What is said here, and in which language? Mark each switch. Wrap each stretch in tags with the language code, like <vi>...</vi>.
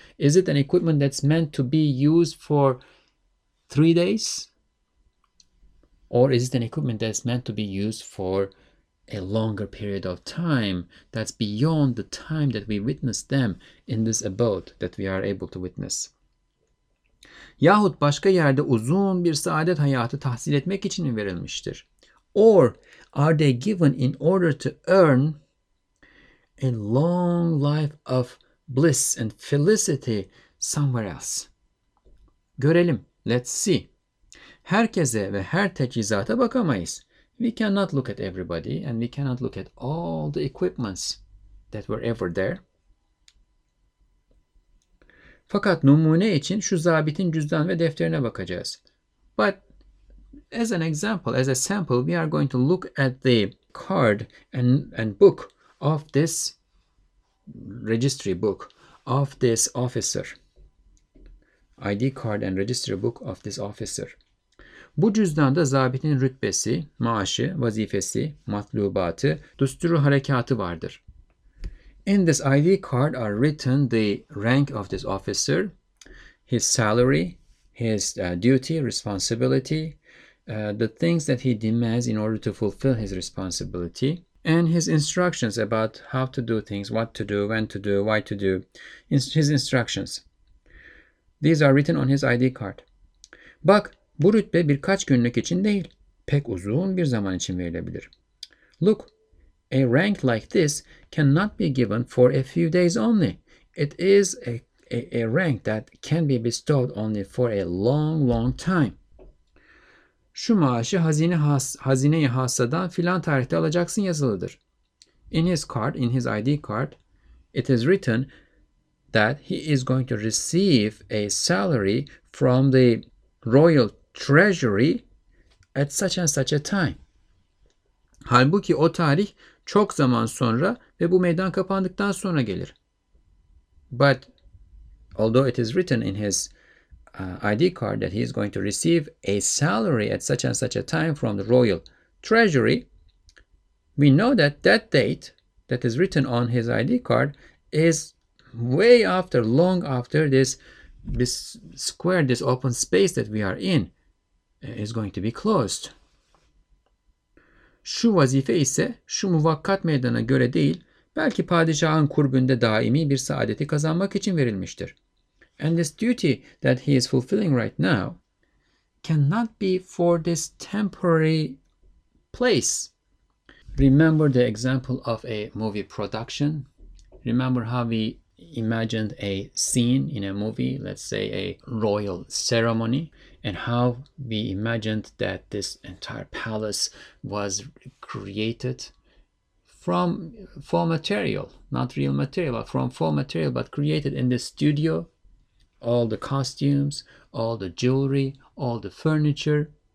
<en>Is it an equipment that's meant to be used for 3 days? Or is it an equipment that's meant to be used for a longer period of time, that's beyond the time that we witness them in this abode that we are able to witness?</en> <tr>Yahut başka yerde uzun bir saadet hayatı tahsil etmek için mi verilmiştir?</tr> <en>Or are they given in order to earn a long life of bliss and felicity somewhere else?</en> <tr>Görelim.</tr> <en>Let's see.</en> <tr>Herkese ve her teçhizata bakamayız.</tr> <en>We cannot look at everybody and we cannot look at all the equipments that were ever there.</en> <tr>Fakat numune için şu zabitin cüzdan ve defterine bakacağız.</tr> <en>But as an example, as a sample, we are going to look at the card and book of this registry book of this officer. ID card and registry book of this officer.</en> <tr>Bu cüzdanda zabitin rütbesi, maaşı, vazifesi, matlubatı, düsturu harekatı vardır.</tr> <en>In this ID card are written the rank of this officer, his salary, his duty, responsibility, the things that he demands in order to fulfill his responsibility, and his instructions about how to do things, what to do, when to do, why to do, his instructions. These are written on his ID card.</en> <tr>Bak, bu rütbe birkaç günlük için değil, pek uzun bir zaman için verilebilir.</tr> <en>Look, a rank like this cannot be given for a few days only. It is a rank that can be bestowed only for a long, long time.</en> <tr>Şu maaşı hazine-i hasadan filan tarihte alacaksın yazılıdır.</tr> <en>In his card, in his ID card, it is written that he is going to receive a salary from the royal treasury at such and such a time.</en> <tr>Halbuki o tarih çok zaman sonra ve bu meydan kapandıktan sonra gelir.</tr> <en>But although it is written in his ID card that he is going to receive a salary at such and such a time from the royal treasury, we know that that date that is written on his ID card is way after, long after this square, this open space that we are in is going to be closed.</en> <tr>Şu vazife ise şu muvakkat meydana göre değil, belki padişahın kurbünde daimi bir saadeti kazanmak için verilmiştir.</tr> <en>And this duty that he is fulfilling right now cannot be for this temporary place. Remember the example of a movie production? Remember how we imagined a scene in a movie, let's say a royal ceremony, and how we imagined that this entire palace was created from faux material, not real material, but from faux material, but created in the studio, all the costumes, all the jewelry, all the furniture,</en>